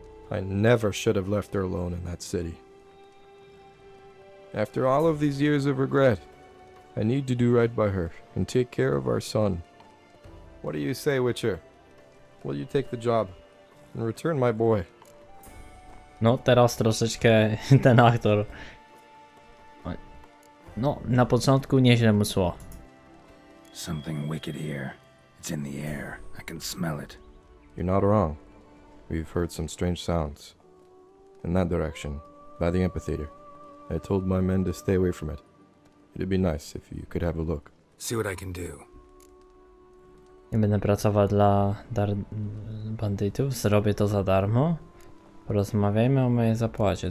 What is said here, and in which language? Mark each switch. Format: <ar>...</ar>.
<en>I never should have left her alone in that city. After all of these years of regret, I need to do right by her, and take care of our son. What do you say, Witcher? Will you take the job, and return my boy?</en> <pl>No, teraz troszeczkę ten aktor... No, na początku nieźle mu szło.</pl> <en>Something wicked here. It's in the air. I can smell it. You're not wrong. We've heard some strange sounds. In that direction, by the amphitheater. I told my men to stay away from it. It'd be nice if you could have a look. See what I can do.</en> <pl>Nie będę pracował dla bandytów. Zrobię to za darmo. Porozmawiajmy o mojej zapłacie.</pl>